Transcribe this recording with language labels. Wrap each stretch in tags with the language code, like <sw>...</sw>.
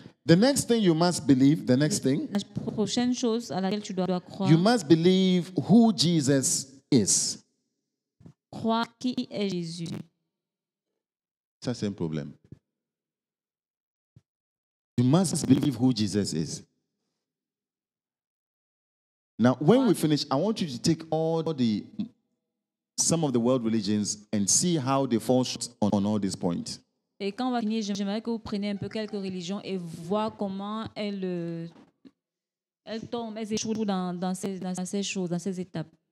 <en>The next thing you must believe, the next thing,</en> <fr>la prochaine chose à laquelle tu dois croire,</fr> <en>you must believe who Jesus is.</en> <fr>Croire qui est Jésus. Ça, c'est un problème.</fr> <en>You must believe who Jesus is. Now, when we finish, I want you to take some of the world religions and see how they fall short on all these points.</en> <fr>Et quand on va finir, j'aimerais que vous preniez un peu quelques religions et voir comment elles tombent, elles échouent dans ces choses, dans ces étapes.</fr>